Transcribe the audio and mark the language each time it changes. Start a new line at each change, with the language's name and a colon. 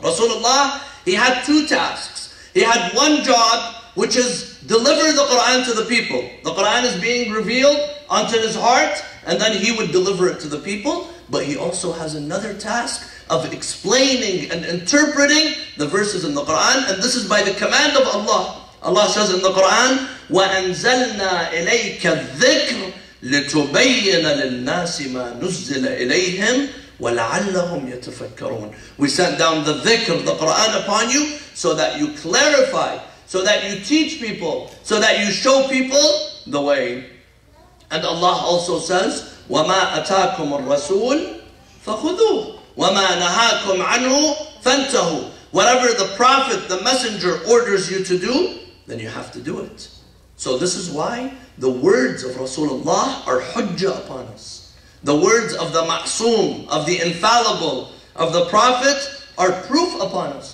English: Rasulullah, he had two tasks. He had one job, which is deliver the Quran to the people. The Quran is being revealed onto his heart, and then he would deliver it to the people. But he also has another task of explaining and interpreting the verses in the Quran. And this is by the command of Allah. Allah says in the Quran,
Arabic: وَأَنزَلْنَا إِلَيْكَ الذِّكْرِ لِتُبَيِّنَ لِلنَّاسِ مَا نُزِّلَ إِلَيْهِمْ وَلَعَلَّهُمْ يَتَفَكَّرُونَ. We sent down the dhikr of the Quran upon you so that you clarify, so that you teach people, so that you show people the way.
English: And Allah also says,
Arabic: وَمَا أَتَاكُمُ الرَّسُولُ فَخُذُوهُ وَمَا نَهَاكُمْ عَنْهُ فَانْتَهُوا.
English: Whatever the Prophet, the Messenger orders you to do, then you have to do it. So this is why the words of Rasulullah are hujjah upon us. The words of the ma'soom, of the infallible, of the Prophet are proof upon us.